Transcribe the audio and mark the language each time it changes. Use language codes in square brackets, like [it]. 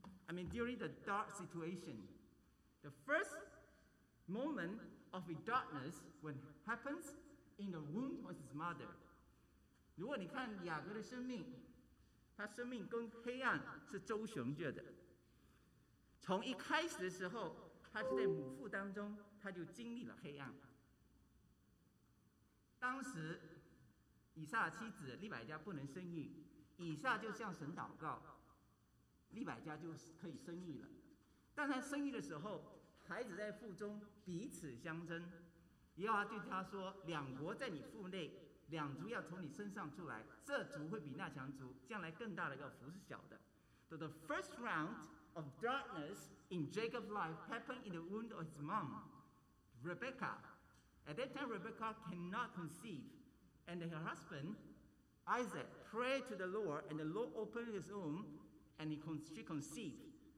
[en] I mean, during the dark situation. The first moment of the darkness when happens in the womb of his mother. [zh] 如果你看雅各的生命，他生命跟黑暗是周旋着的。从一开始的时候，他就在母腹当中，他就经历了黑暗。当时，以撒妻子利百加不能生育，以撒就向神祷告，利百加就可以生育了。但他生育的时候，孩子在腹中彼此相争，耶和华对他说：“两国在你腹内。” 两族要从你身上出来，这族会比那强族，将来更大的要服是小的。 [en] So the first round of darkness in Jacob's life happened in the womb of his mom, Rebecca. At that time, Rebecca cannot conceive. And her husband, Isaac, prayed to the Lord, and the Lord opened his womb, and she conceived.